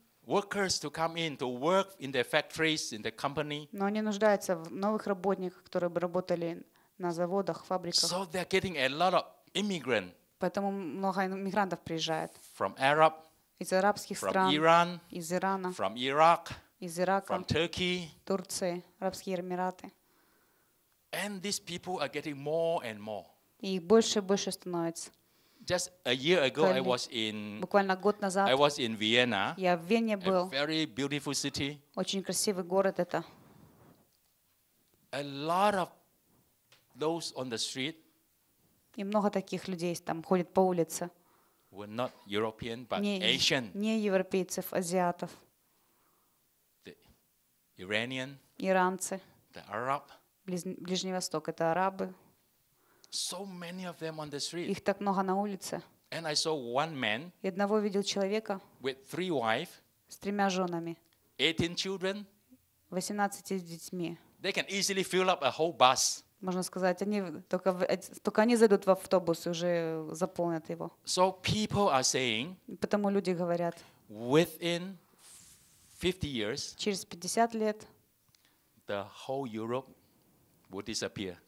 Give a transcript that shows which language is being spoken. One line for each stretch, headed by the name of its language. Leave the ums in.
English: workers to come in to work in the factories in the company.
Russian: Но они нуждаются в новых работниках, которые бы работали на заводах, фабриках.
English: So they are getting a lot of immigrants.
Russian: Поэтому много иммигрантов приезжает.
English: From Arab.
Russian: Из арабских
English: from
Russian: стран.
English: Iran.
Russian: Из Ирана.
English: From Iraq.
Russian: Из Ирака.
English: From Turkey.
Russian: Турции, арабские эмираты.
English: And these people are getting more and more.
Russian: И их больше и больше становится
English: just a year ago
Russian: буквально,
English: I was in
Russian: буквально год назад
English: I was in Vienna
Russian: я в Вене был
English: a very beautiful city
Russian: очень красивый город это
English: a lot of those on the street
Russian: и много таких людей там ходят по улице
English: were not European but Asian.
Russian: не,
English: Asian
Russian: не европейцев азиатов
English: the Iranian
Russian: иранцы
English: the Arab
Russian: Ближний Восток — это арабы.
English: So many of them on the street.
Russian: Их так много на улице.
English: And I saw one man
Russian: и одного видел человека
English: wife,
Russian: с тремя женами, 18, 18 с детьми.
English: They can easily fill up a whole bus.
Russian: Можно сказать, они только, только они зайдут в автобус и уже заполнят его.
English: So people are saying,
Russian: Потому люди говорят,
English: within 50 years,
Russian: через 50 лет
English: the whole Europe will disappear